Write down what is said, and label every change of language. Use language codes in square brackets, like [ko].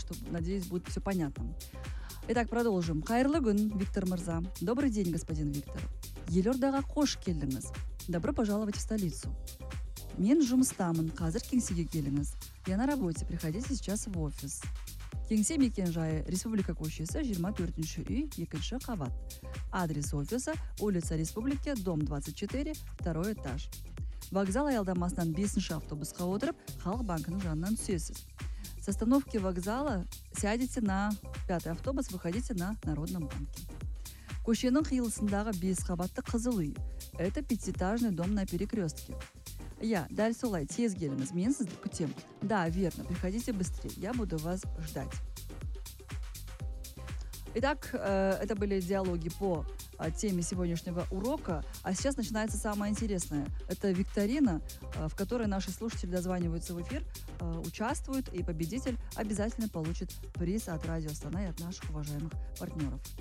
[ru] Надеюсь, будет все понятно. Итак, продолжим. [kk] Кайрлы гүн, Виктор Мырза. [ru] Добрый день, господин Виктор. [kk] Елордаға қош келдіңіз. [ru] Добро пожаловать в столицу. [kk] Мен жұмыстамын, қазір кеңсеге келіңіз. [ru] Я на работе, приходите сейчас в офис. [kk] Кеңсе мекенжайы, Республика көшесі, 24-ші үй, 2-ші қабат. [ru] Адрес офиса, улица Республики, дом 24, 2-й этаж. [kk] Вокзал аялдамасынан 5-ші автобусқа отырып, Халық банкінің жанынан түсесіз. [ru] С остановки вокзала сядете на 5-й автобус, выходите на Народном банке. [kk] Көшенің қиылысындағы 5 қабатты қызыл үй. [ru] Это пятиэтажный дом на перекрестке. [kk] Я, дәл солай, тез келіңіз, мен сізді күтем. [ru] Да, верно, приходите быстрее, я буду вас ждать. Итак, это были диалоги по теме сегодняшнего урока. А сейчас начинается самое интересное. Это викторина, в которой наши слушатели дозваниваются в эфир, участвуют, и победитель обязательно получит приз от Радио Астана и от наших уважаемых партнеров.